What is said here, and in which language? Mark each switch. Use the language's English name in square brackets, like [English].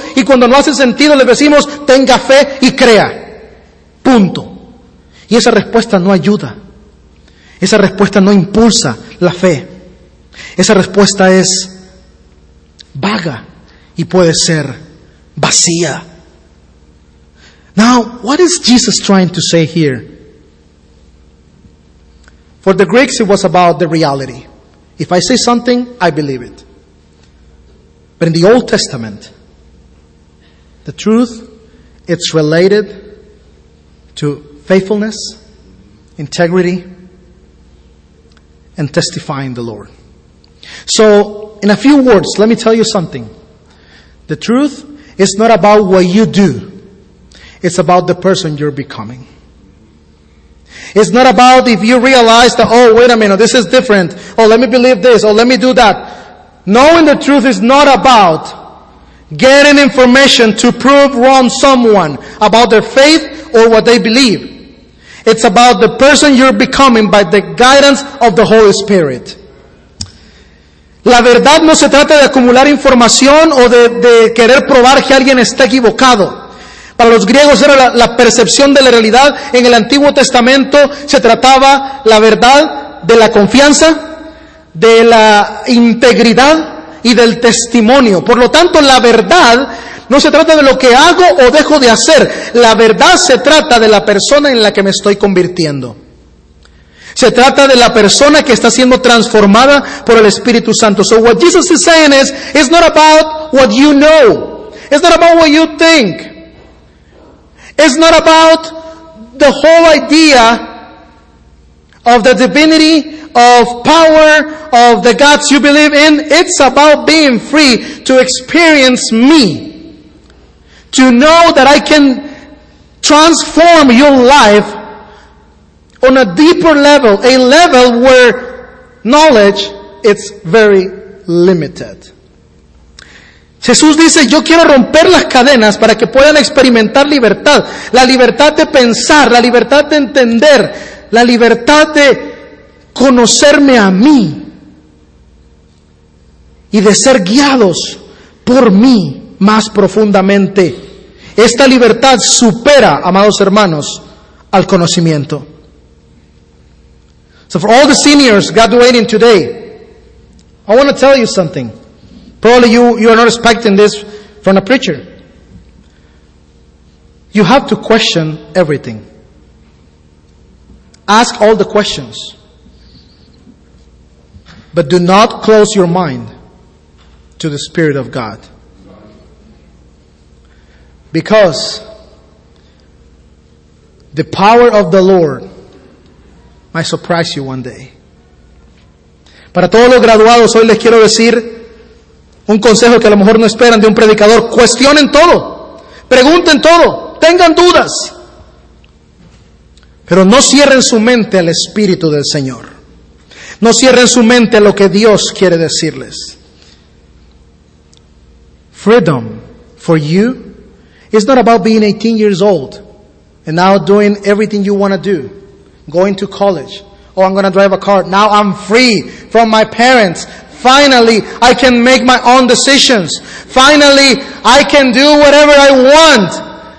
[Spanish] Y cuando no hace sentido les decimos, tenga fe y crea. Punto. Y esa respuesta no ayuda. Esa respuesta no impulsa la fe. Esa respuesta es vaga y puede ser vacía. [English] Now, what is Jesus trying to say here? For the Greeks, it was about the reality. If I say something, I believe it. But in the Old Testament, the truth, it's related to faithfulness, integrity, and testifying the Lord. So, in a few words, let me tell you something. The truth, it's not about what you do. It's about the person you're becoming. It's not about if you realize that, oh, wait a minute, this is different. Oh, let me believe this. Oh, let me do that. Knowing the truth is not about getting information to prove wrong someone about their faith or what they believe. It's about the person you're becoming by the guidance of the Holy Spirit. [Spanish] La verdad no se trata de acumular información o de querer probar que alguien está equivocado. Para los griegos era la percepción de la realidad. En el Antiguo Testamento se trataba la verdad de la confianza, de la integridad y del testimonio. Por lo tanto, la verdad no se trata de lo que hago o dejo de hacer. La verdad se trata de la persona en la que me estoy convirtiendo. Se trata de la persona que está siendo transformada por el Espíritu Santo. [English] So what Jesus is saying is, it's not about what you know. It's not about what you think. It's not about the whole idea of the divinity, of power, of the gods you believe in. It's about being free to experience me. To know that I can transform your life on a deeper level, a level where knowledge is very limited. [Spanish] Jesús dice, yo quiero romper las cadenas para que puedan experimentar libertad. La libertad de pensar, la libertad de entender, la libertad de conocerme a mí y de ser guiados por mí más profundamente. Esta libertad supera, amados hermanos, al conocimiento. [English] So for all the seniors graduating today, I want to tell you something. Probably you are not expecting this from a preacher. You have to question everything. Ask all the questions. But do not close your mind to the Spirit of God. Because the power of the Lord might surprise you one day. [Spanish] Para todos los graduados, hoy les quiero decir un consejo que a lo mejor no esperan de un predicador. Cuestionen todo. Pregunten todo. Tengan dudas. Pero no cierren su mente al Espíritu del Señor. No cierren su mente a lo que Dios quiere decirles. [English] Freedom for you is not about being 18 years old and now doing everything you want to do. Going to college. Oh, I'm going to drive a car. Now I'm free from my parents. Finally, I can make my own decisions. Finally, I can do whatever I want.